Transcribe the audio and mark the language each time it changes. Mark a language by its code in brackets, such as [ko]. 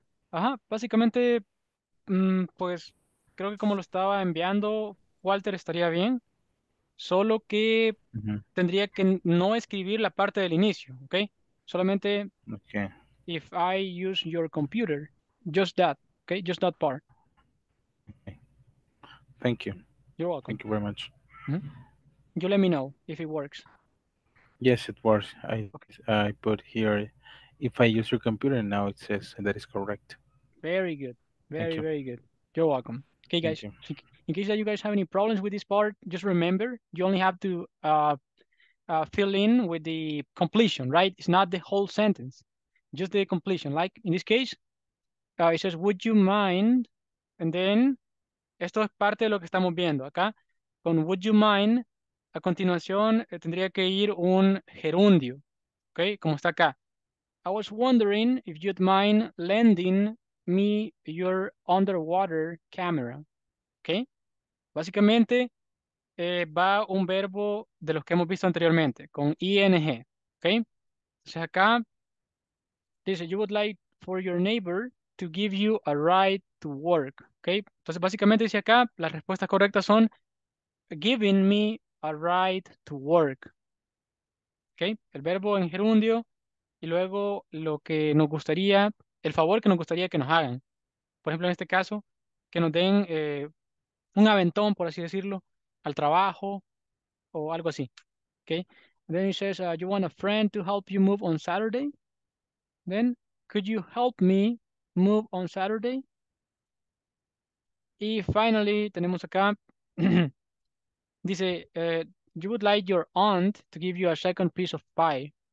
[es] Ajá, básicamente, pues, creo que como lo estaba enviando, Walter estaría bien. Solo que tendría que no escribir la parte del inicio, ¿ok? Solamente... [en] Okay. If I use your computer, just that, okay? Just that part. Okay. Thank you. You're welcome. Thank you very much. You let me know if it works. Yes, it works. I put here, if I use your computer, now it says that is correct. Very good. Very, very good. You're welcome. Okay, Thank guys. You. In case that you guys have any problems with this part, just remember, you only have to fill in with the completion, right? It's not the whole sentence. Just the completion. Like in this case, it says, would you mind? [es] And then, esto es parte de lo que estamos viendo acá. Con [en] would you mind, [es] a continuación tendría que ir un gerundio. Okay, como está acá. [en] I was wondering if you'd mind lending me your underwater camera. [es] Okay, básicamente va un verbo de los que hemos visto anteriormente, con ing. Okay, entonces acá. Dice, [en] you would like for your neighbor to give you a ride to work, okay? [es] Entonces, básicamente dice acá, las respuestas correctas son [en] giving me a ride to work, [es] okay? El verbo en gerundio y luego lo que nos gustaría, el favor que nos gustaría que nos hagan. Por ejemplo, en este caso, que nos den un aventón, por así decirlo, al trabajo o algo así, okay? [en] Then he says, you want a friend to help you move on Saturday? Then, could you help me move on Saturday? [es] Y [en] finally, [es] tenemos acá, dice, [en] you would like your aunt to give you a second piece of pie.